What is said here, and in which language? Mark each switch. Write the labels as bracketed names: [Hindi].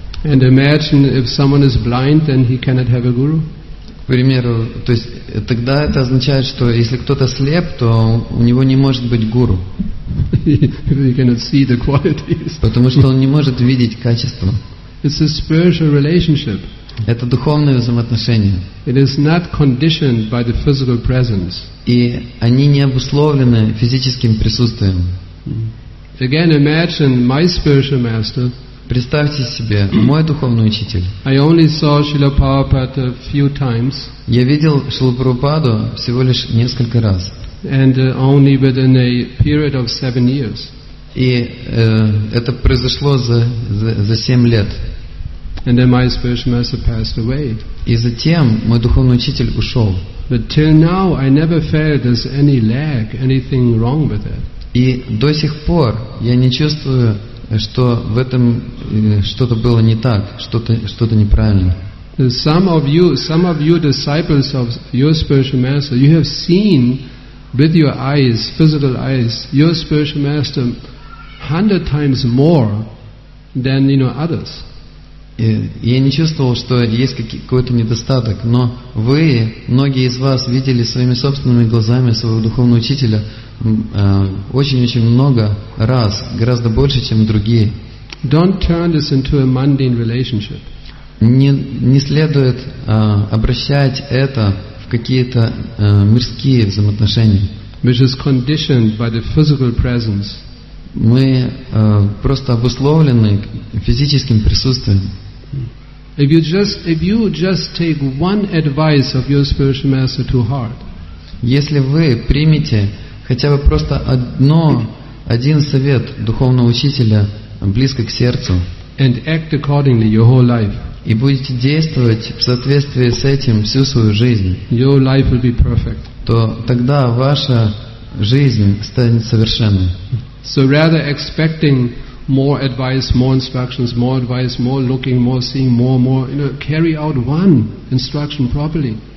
[English] And imagine if someone is blind, then he cannot have a guru. [Russian] К примеру, то есть тогда это означает, что если кто-то слеп, то у него не может быть гуру. [English] He cannot see the qualities. [Russian] Потому что он не может видеть качества. [English] It's a spiritual relationship. [Russian] Это духовные взаимоотношения. [English] It is not conditioned by the physical presence. [Russian] И они не обусловлены физическим присутствием. [English] Again, imagine my spiritual master. [Russian] Представьте себе, мой духовный учитель. [English] I only saw Srila Prabhupada a few times. [Russian] Я видел Шрилу Прабхупаду всего лишь несколько раз. [English] And only within a period of 7 years. [Russian] И это произошло за 7 лет. [English] And then my spiritual master passed away. [Russian] И затем мой духовный учитель ушел. [English] But till now I never felt there's any lag, anything wrong with it. [Russian] И до сих пор я не чувствую, что в этом что-то было не так, что-то неправильно. [English] Some of you disciples of your spiritual master, you have seen with your eyes, physical eyes, your spiritual master 100 times more than, you know, others. [Russian] Я не чувствовал, что есть какой-то недостаток, но вы, многие из вас, видели своими собственными глазами своего духовного учителя очень-очень много раз, гораздо больше, чем другие. [English] Don't turn this into a mundane relationship. [Russian] Не следует обращать это в какие-то мирские взаимоотношения. [English] Which is conditioned by the physical presence. [Russian] Мы просто обусловлены физическим присутствием. [English] If you just take one advice of your spiritual master to heart. [Russian] Если вы примете хотя бы просто один совет духовного учителя близко к сердцу. [English] And act accordingly your whole life. [Russian] И будете действовать в соответствии с этим всю свою жизнь. [English] Your life will be perfect. [Russian] То тогда ваша жизнь станет совершенной. [English] So rather expecting more advice, more instructions, more advice, more looking, more seeing, more, you know, carry out one instruction properly.